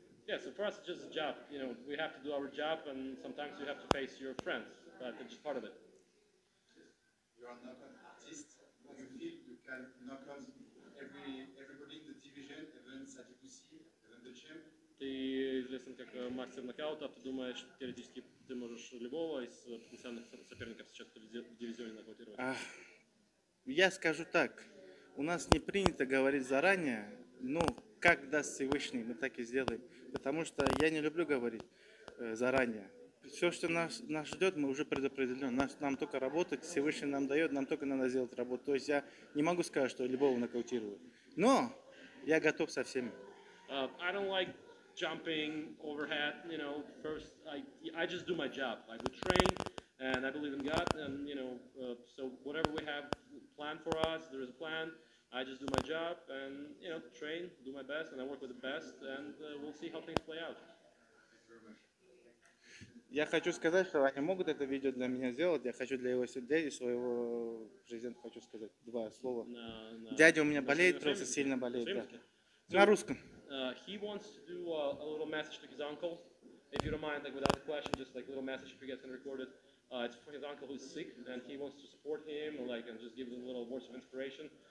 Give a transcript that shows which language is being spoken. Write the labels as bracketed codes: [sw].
[en] Yeah, so for us it's just a job. You know, we have to do our job, and sometimes you have to face your friends, but it's just part of it. You are not an artist. You feel you can knock on everybody in the division, even Sadikusi, even the champ. [ru] Ты известен как мастер нокаута, ты думаешь, теоретически ты можешь любого из потенциальных соперников сейчас в дивизионе нокаутировать? Я скажу так, у нас не принято говорить заранее, но как даст Всевышний, мы так и сделаем, потому что я не люблю говорить заранее. Все, что нас ждет, мы уже предопределены, нам только работать, Всевышний нам дает, нам только надо сделать работу. То есть я не могу сказать, что любого нокаутирую, но я готов со всеми. [en] I don't like jumping overhead, you know, first I just do my job. Like we train and I believe in God, and you know, so whatever we have planned for us, there is a plan. I just do my job and, you know, train, do my best, and I work with the best, and we'll see how things play out. [ru] Я хочу сказать, что они могут это видео для меня сделать. Я хочу для его дяди, своего президента, хочу сказать два слова. Дядя у меня болеет, просто сильно болеет. На русском. [en] He wants to do a little message to his uncle. If you don't mind, like without a question, just like a little message if he gets recorded. It's for his uncle who's sick, and he wants to support him, like, and just give him a little words of inspiration.